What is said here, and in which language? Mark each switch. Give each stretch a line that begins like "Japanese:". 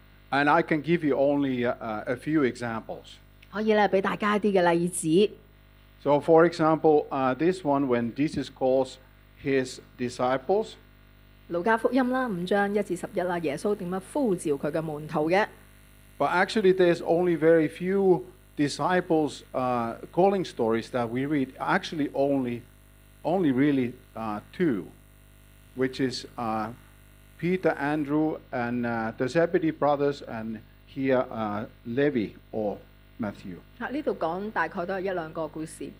English: And I can give you only a few examples.
Cantonese: 可以咧，俾大家一啲嘅例子。
English: So for example, this one when Jesus calls his disciples.
Cantonese: 路加福音啦，五章一至十一啦，耶穌點樣呼召佢嘅門徒嘅。
English: But actually, there's only very few disciples calling stories that we read. Actually, only really two. Which is Peter, Andrew, and the Zebedee brothers, and here Levi or Matthew.
Cantonese: 啊，呢度讲大概都系一两个故事。